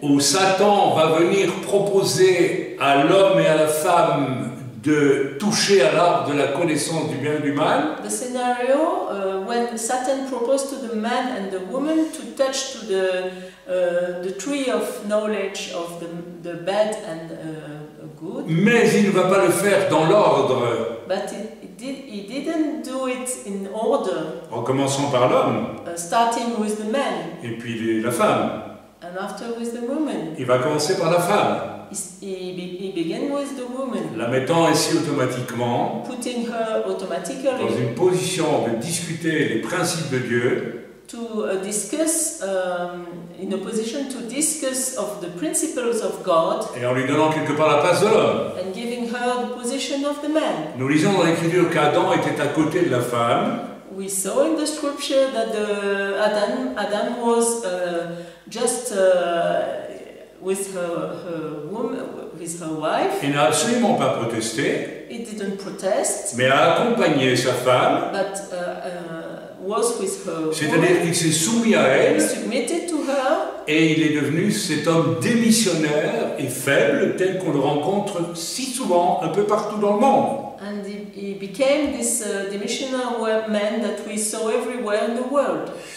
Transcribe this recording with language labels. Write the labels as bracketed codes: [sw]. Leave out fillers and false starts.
[fr] Où Satan va venir proposer à l'homme et à la femme de toucher à l'arbre de la connaissance du bien et du mal. [en] The scenario when Satan proposed to the man and the woman to touch to the tree of knowledge of the bad and good. [fr] Mais il ne va pas le faire dans l'ordre. [en] But he didn't do it in order. [fr] En commençant par l'homme. [en] Starting with the man. [fr] Et puis la femme. [en] And after with the woman. [fr] Il va commencer par la femme. [en] He began with the woman, [fr] la mettant ainsi automatiquement [en] putting her automatically, [fr] dans une position de discuter les principes de Dieu, [en] to discuss in a position to discuss of the principles of God, [fr] et en lui donnant quelque part la place de l'homme, [en] and giving her the position of the man. [fr] Nous lisons dans l'Écriture qu'Adam était à côté de la femme. [en] We saw in the scripture that the Adam was just with her wife. [fr] Il n'a absolument pas protesté. [en] He didn't protest. [fr] Mais a accompagné sa femme. [en] But was with her. [fr] C'est-à-dire qu'il s'est soumis à elle. [en] He submitted to her. [fr] Et il est devenu cet homme démissionnaire et faible tel qu'on le rencontre si souvent un peu partout dans le monde. [en] And he became this demissionary man that we saw everywhere in the world.